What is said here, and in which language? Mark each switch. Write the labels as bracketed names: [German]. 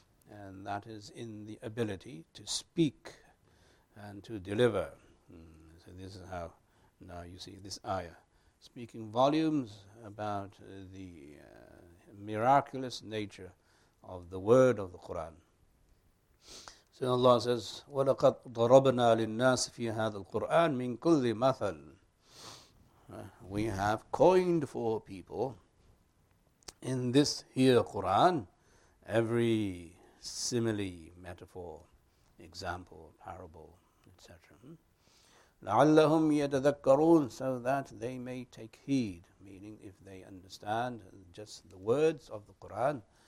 [English] And that is in the ability to speak and to deliver. So this is how now you see this ayah speaking volumes about the miraculous nature of the word of the Qur'an. So Allah says, [Arabic] وَلَقَدْ ضَرَبْنَا لِلنَّاسِ فِي هَذَا الْقُرْآنِ مِنْ كُلِّ مَثَلٍ. [English] We have coined for people in this here Qur'an every simile, metaphor, example, parable, etc. [Arabic] لَعَلَّهُمْ يَتَذَكَّرُونَ, [English] so that they may take heed, meaning if they understand just the words of the Qur'an,